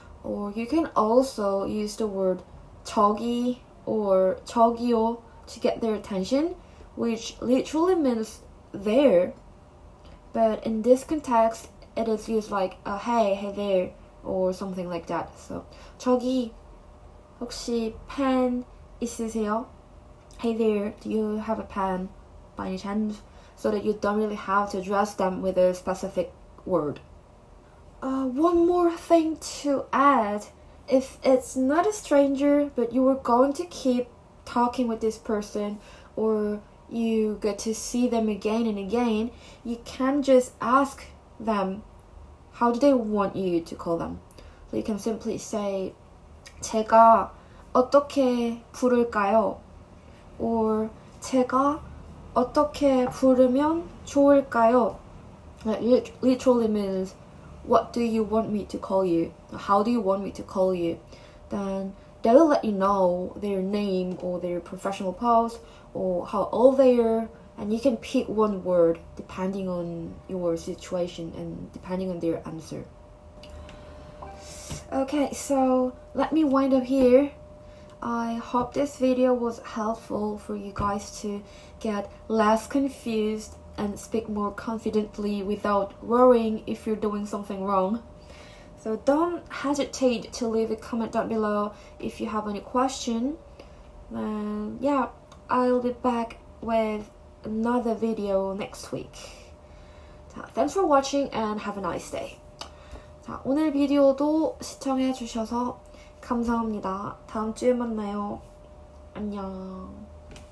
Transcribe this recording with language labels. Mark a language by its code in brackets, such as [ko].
[en] Or you can also use the word 저기 or 저기요 to get their attention, which literally means there. But in this context, it is used like a hey there or something like that. So [ko] 저기 혹시 펜 있으세요? [en] Hey there, do you have a pen by any chance? So that you don't really have to address them with a specific word. One more thing to add, if it's not a stranger but you are going to keep talking with this person or you get to see them again and again, you can just ask them how do they want you to call them. So you can simply say [ko] 제가 어떻게 부를까요? Or 제가 어떻게 부르면 좋을까요? [en] That literally means what do you want me to call you? How do you want me to call you? Then they will let you know their name or their professional post or how old they are, and you can pick one word depending on your situation and depending on their answer. Okay, so let me wind up here. I hope this video was helpful for you guys to get less confused and speak more confidently without worrying if you're doing something wrong. So don't hesitate to leave a comment down below if you have any question. And yeah, I'll be back with another video next week. Thanks for watching and have a nice day. [ko] 자, 오늘 비디오도 시청해 주셔서 감사합니다. 다음 주에 만나요. 안녕.